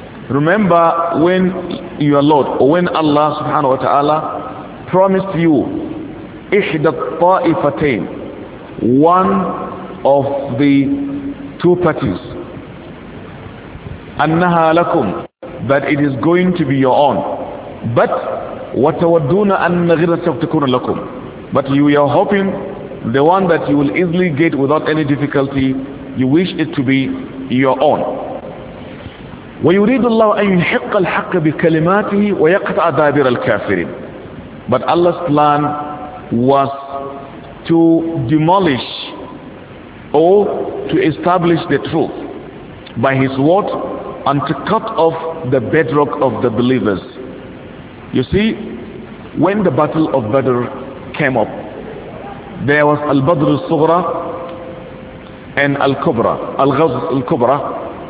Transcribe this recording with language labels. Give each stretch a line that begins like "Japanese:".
English: Remember when your Lord, or when Allah subhanahu wa ta'ala promised you
Arabic: إِحْدَ الطَّائِفَتَيْنِ,
English: one of the two parties,
Arabic: أَنَّهَا لَكُمْ,
English: that it is going to be your own. But
Arabic: وَتَوَدُّونَ أَنَّ غِرَ السَّوْكَ تَكُونَ لَكُمْ,
English: but you are hoping the one that you will easily get without any difficulty, you wish it to be your own.
Arabic: ويريد الله أن يحق الحق بكلماته ويقطع دابر الكافرين.
English: But Allah's plan was to demolish or to establish the truth by His word and to cut off the bedrock of the believers. You see, when the battle of Badr came up, there was Al-Badr al-Sughra and Al-Kubra, Al-Ghazw al-Kubra.